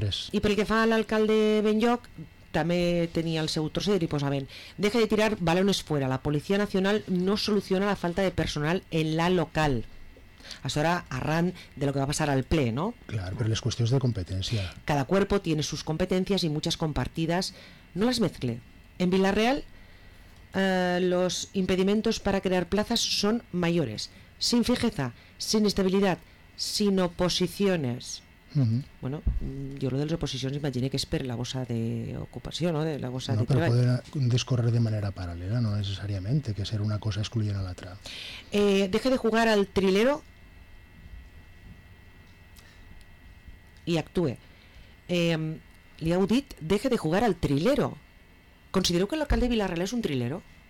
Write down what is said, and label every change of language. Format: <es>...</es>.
<ca>I pel que fa a l'alcalde Benlloc, també tenia el seu trosset i posaven,</ca> <es>deja de tirar balones fuera, la Policia Nacional no soluciona la falta de personal en la local.</es> <ca>Això era arran de lo que va passar al ple, no? Clar, però les qüestions de competència.</ca> <es>Cada cuerpo tiene sus competencias y muchas compartidas. No las mezcle. En Villarreal, los impedimentos para crear plazas son mayores. Sin fijeza, sin estabilidad, sin oposiciones. Bueno, yo lo de las oposiciones imaginé que es</es> <ca>per la bossa de ocupació,</ca> <es>no?</es> <ca>De la bossa no, de però poden discorrer de manera paral·lela, no necessàriament, que ser una cosa excluyent a l'altra.</ca> <es>Deje de jugar al trilero i actue.</es> <ca>Li heu dit,</ca> <es>deje de jugar al trilero.</es> <ca>Considereu que l'alcalde de Villarreal és un trilero?</ca>